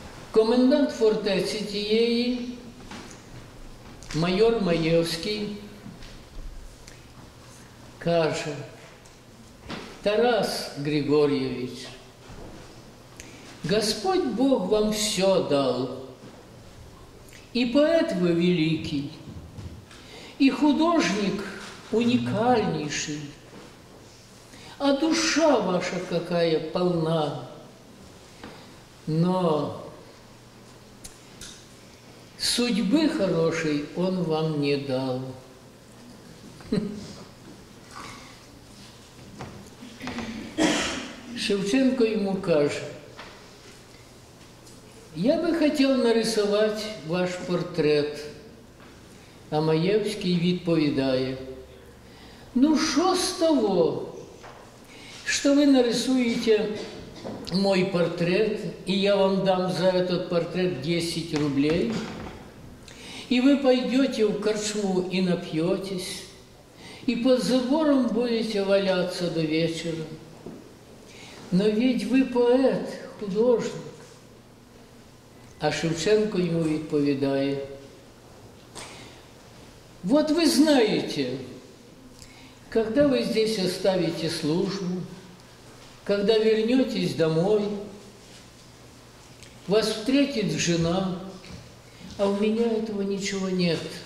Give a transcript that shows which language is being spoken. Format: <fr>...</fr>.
<uk>Комендант фортеці тієї, майор Маєвський, каже, Тарас Григорійович, Господь Бог вам все дав, і поет ви великий, і художник унікальніший, а душа ваша</uk> <ru>какая полна. Но судьби хорошей он вам не дал.</ru> <uk>Шевченко йому каже, я би хотів нарисувати ваш портрет. А Маєвський відповідає, ну що з того, що ви нарисуєте мій портрет, і я вам дам за цей портрет 10 рублів, і ви пойдете в корчму і нап'єтесь, і під забором будете валятися до вечора.</uk> <ru>Но ведь ви поет, художник.</ru> <uk>А Шевченко йому відповідає,</uk> <ru>вот вы знаете, когда вы здесь оставите службу, когда вернетесь домой, вас встретит жена, а у меня этого ничего нет.</ru>